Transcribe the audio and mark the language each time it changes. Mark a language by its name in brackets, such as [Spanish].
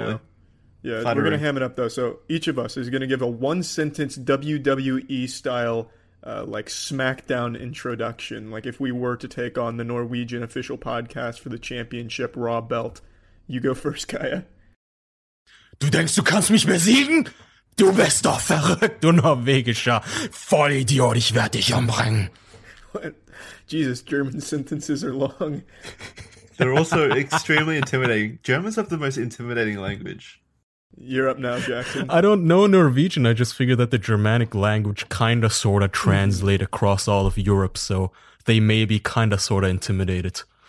[English] right now. Yeah, flattering. We're gonna ham it up though. So each of us is gonna give a one sentence WWE style, like SmackDown introduction. Like if we were to take on the Norwegian official podcast for the championship Raw belt, you go first, Kaya. [German] Du denkst du kannst mich besiegen? Du bist doch verrückt, du norwegischer Vollidiot, ich werde dich umbringen. [English] What? Jesus, German sentences are long. They're also extremely intimidating. Germans have the most intimidating language. You're up now, Jackson. I don't know Norwegian, I just figured that the Germanic language kinda sorta translate across all of Europe, so they may be kinda sorta intimidated.